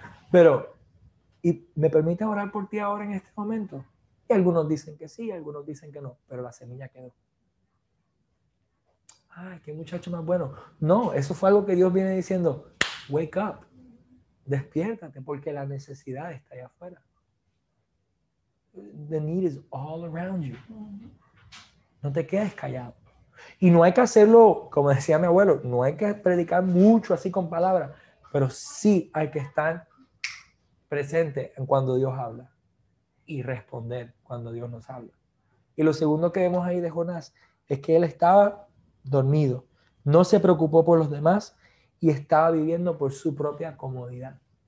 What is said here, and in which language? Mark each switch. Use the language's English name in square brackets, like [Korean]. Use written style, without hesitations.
[Spanish] Pero, ¿y me permite orar por ti ahora en este momento? Y algunos dicen que sí, algunos dicen que no, pero la semilla quedó. Ay, qué muchacho más bueno. No, eso fue algo que Dios viene diciendo, [English] wake up, [Spanish] despiértate, porque la necesidad está allá afuera. [English] The need is all around you. [Spanish] No te quedes callado. Y no hay que hacerlo, como decía mi abuelo, no hay que predicar mucho así con palabras, pero sí hay que estar presente cuando Dios habla. Y responder cuando Dios nos habla. Y lo segundo que vemos ahí de Jonás es que él estaba dormido, no se preocupó por los demás y estaba viviendo por su propia comodidad.